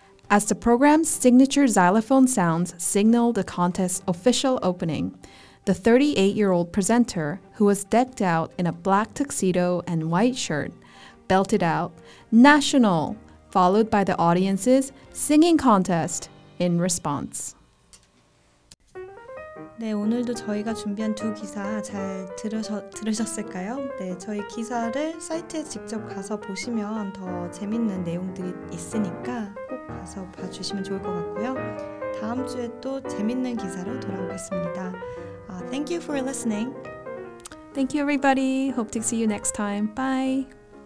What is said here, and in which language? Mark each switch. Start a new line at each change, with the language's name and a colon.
English: As the program's signature xylophone sounds signal the contest's official opening, the 38-year-old presenter, who was decked out in a black tuxedo and white shirt, belted out, "National!" followed by the audience's singing contest in response.
Korean: 네, 오늘도 저희가 준비한 두 기사 잘 들으셨을까요? 네, 저희 기사를 사이트에 직접 가서 보시면 더 재밌는 내용들이 있으니까 꼭 가서 봐주시면 좋을 것 같고요. 다음 주에 또 재밌는 기사로 돌아오겠습니다.
English: Thank you for listening. Thank you, everybody. Hope to see you next time. Bye.